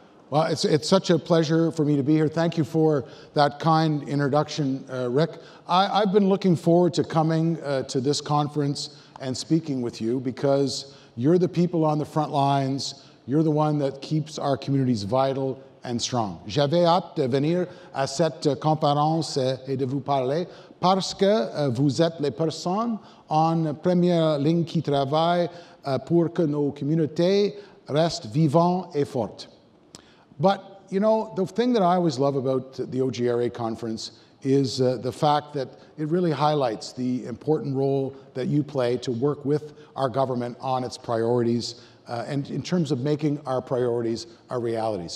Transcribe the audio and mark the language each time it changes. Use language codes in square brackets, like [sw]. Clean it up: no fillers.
[en] Well, it's such a pleasure for me to be here. Thank you for that kind introduction, Rick. I've been looking forward to coming to this conference and speaking with you because you're the people on the front lines. You're the one that keeps our communities vital and strong. [fr] J'avais hâte de venir à cette conférence et de vous parler parce que vous êtes les personnes en première ligne qui travaillent pour que nos communautés restent vivantes et fortes. [en] But, you know, the thing that I always love about the OGRA conference is the fact that it really highlights the important role that you play to work with our government on its priorities and in terms of making our priorities a reality.